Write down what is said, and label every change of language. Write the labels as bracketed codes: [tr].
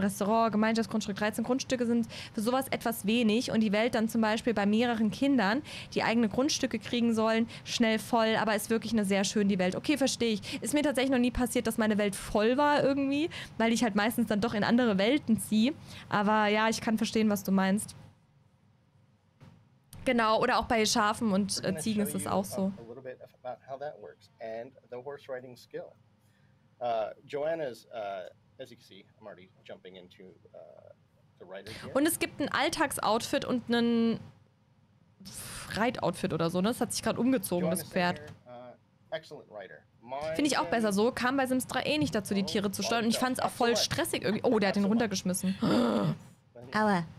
[de] Restaurant, Gemeinschaftsgrundstück, 13 Grundstücke sind für sowas etwas wenig und die Welt dann zum Beispiel bei mehreren Kindern, die eigene Grundstücke kriegen sollen, schnell voll, aber ist wirklich eine sehr schön, die Welt. Okay, verstehe ich. Ist mir tatsächlich noch nie passiert, dass meine Welt voll war irgendwie, weil ich halt meistens dann doch in andere Welten ziehe. Aber ja, ich kann verstehen, was du meinst. Genau, oder auch bei Schafen und Ziegen ist es auch so. [en] About how that works and the horse riding skill. Joanna's, as you can see, I'm already jumping into the rider. [de] Und es gibt ein Alltagsoutfit und ein Reitoutfit oder so, ne? Das hat sich gerade umgezogen, Joanna das Pferd. [en] Excellent rider. [de] Finde ich auch besser so. Kam bei Sims 3 eh nicht dazu, die Tiere zu steuern. Und ich fand es auch voll stressig irgendwie. Oh, der hat ihn runtergeschmissen. Aua.